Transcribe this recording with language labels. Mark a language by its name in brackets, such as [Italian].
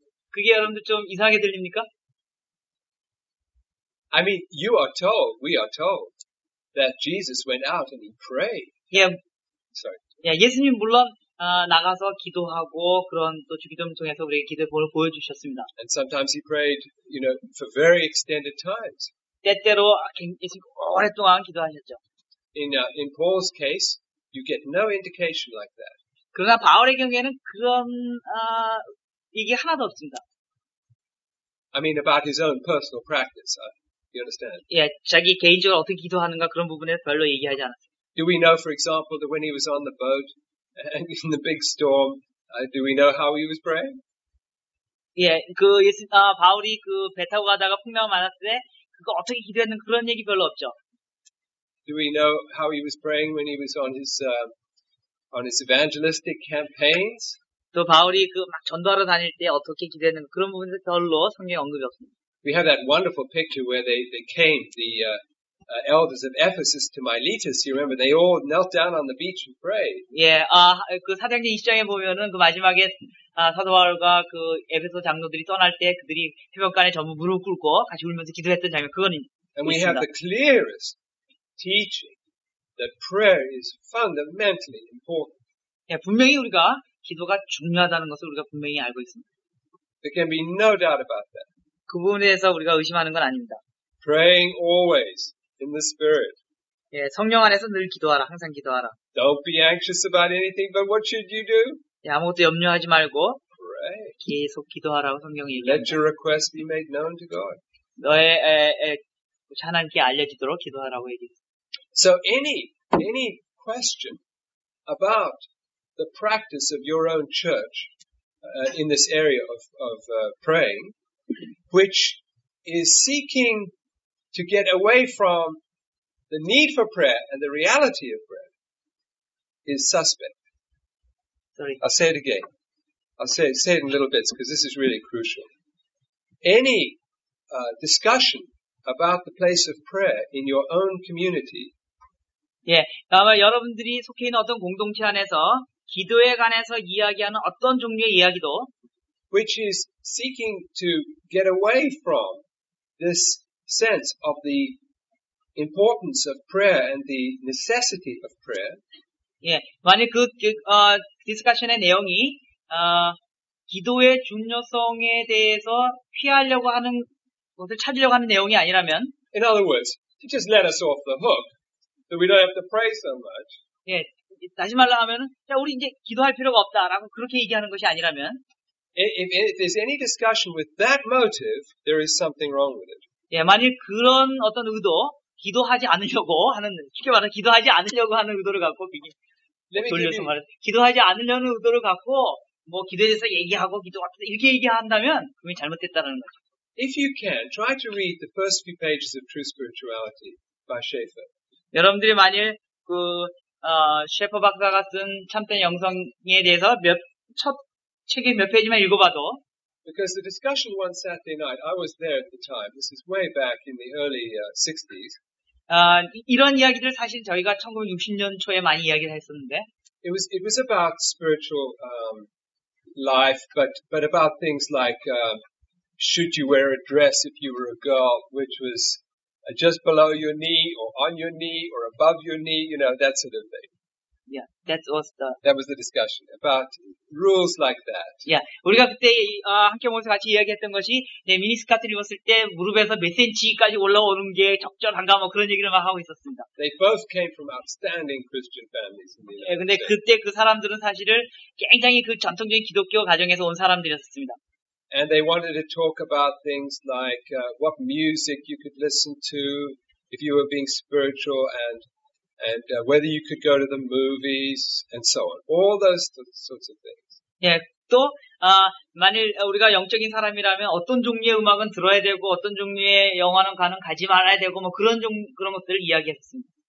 [Korean] 그게 여러분들 좀 이상하게 들립니까? [English] I mean, you are told, we are told that Jesus went out and he prayed. [Korean] 예. [English] Sorry. [Korean] 예, 예수님 물론 나가서 기도하고 그런 또 주기도문 통해서 우리에게 기도를 보여주셨습니다. [English] And sometimes he prayed, you know, for very extended times. [Korean] 때때로 굉장히 오랫동안 기도하셨죠. [English] In Paul's case, you get no indication like that. [Korean] 그러나 바울의 경우에는 그런 이게 하나도 없습니다. [English] I mean about his own personal practice. You understand? [Korean] 예, 자기 개인적으로 어떻게 기도하는가 그런 부분에 별로 얘기하지 않았어요. [English] Do we know, for example, that when he was on the boat and in the big storm, do we know how he was praying? [Korean] 예, 그 바울이 그 배 타고 가다가 풍랑 많았을 때 그거 어떻게 기도했는 그런 얘기 별로 없죠. [English] Do we know how he was praying when he was on his evangelistic campaigns? [Korean] 또 바울이 그 막 전도하러 다닐 때 어떻게 기도했는 그런 부분에 별로 성경 언급이 없습니다. [English] We have that wonderful picture where they came the elders of Ephesus to Miletus. You remember they all knelt down on the beach and prayed. [Korean] 예, 그 사도행전 20장에 보면은 그 마지막에 사도 바울과 그 에베소 장로들이 떠날 때 그들이 해변가에 전부 무릎 꿇고 같이 울면서 기도했던 장면 그건 있습니다. [English] And we have the clearest teaching that prayer is fundamentally important. [Korean] 예, 분명히 우리가 기도가 중요하다는 것을 우리가 분명히 알고 있습니다. [English] There can be no doubt about that. [Korean] 그 부분에 대해서 우리가 의심하는 건 아닙니다. [English] Praying always in the Spirit. [Korean] 예, 성령 안에서 늘 기도하라, 항상 기도하라. [English] Don't be anxious about anything, but what should you do? [Korean] 예, 아무것도 염려하지 말고 [English] Pray. [Korean] 계속 기도하라고 성경이 얘기합니다. [English] Let your request be made known to God. [Korean] 너의 하나님께 알려지도록 기도하라고 얘기했습니다. [English] So any question about the practice of your own church in this area of praying, which is seeking to get away from the need for prayer and the reality of prayer, is suspect. Sorry. I'll say it again. I'll say it in little bits because this is really crucial. Any discussion about the place of prayer in your own community. [Korean] 예, 아마 여러분들이 속해 있는 어떤 공동체 안에서 기도에 관해서 이야기하는 어떤 종류의 이야기도. [English] Which is seeking to get away from this sense of the importance of prayer and the necessity of prayer. [Korean] 예, 만약 그 디스커션의 내용이 기도의 중요성에 대해서 피하려고 하는 것을 찾으려고 하는 내용이 아니라면, [English] in other words, you just let us off the hook, that we don't have to pray so much. [Korean] 예, 다시 말로 하면, 자, 우리 이제 기도할 필요가 없다라고 그렇게 얘기하는 것이 아니라면, [English] if there's any discussion with that motive, there is something wrong with it. [Korean] 예, 만일 그런 어떤 의도, 기도하지 않으려고 하는, 쉽게 말해 기도하지 않으려고 하는 의도를 갖고 돌려서 말해, 기도하지 않으려는 의도를 갖고 뭐 기도에 대해서 얘기하고 기도 같은 이렇게 얘기한다면 그게 잘못됐다는 거죠. [English] If you can, try to read the first few pages of True Spirituality by Schaeffer. [Korean] 여러분들이 만일 그 셰퍼 박사가 쓴 참된 영성에 대해서 몇 첫 책의 몇 페이지만 읽어봐도. [English] Because the discussion one Saturday night, I was there at the time. This is way back in the early 60s. [Korean] 이런 이야기들 사실 저희가 1960년 초에 많이 이야기를 했었는데. [English] It was about spiritual life, but about things like. Should you wear a dress if you were a girl, which was just below your knee, or on your knee, or above your knee, you know, that sort of thing. Yeah, that was the... That was the discussion, about rules like that. [Korean] Yeah, 우리가 그때 함께 모여서 같이 이야기했던 것이, 네, 미니스커트를 입었을 때 무릎에서 몇 센치까지 올라오는 게 적절한가, 뭐 그런 얘기를 막 하고 있었습니다. [English] They both came from outstanding Christian families in the United States. [Korean] 네, 근데 그때 그 사람들은 사실을 굉장히 그 전통적인 기독교 가정에서 온 사람들이었습니다. [English] And they wanted to talk about things like what music you could listen to if you were being spiritual, and whether you could go to the movies and so on. All those sorts of things. [Korean] 예, 또 만일 우리가 영적인 사람이라면 어떤 종류의 음악은 들어야 되고 어떤 종류의 영화는 가는 가지 말아야 되고 뭐 그런 것들을 이야기했습니다.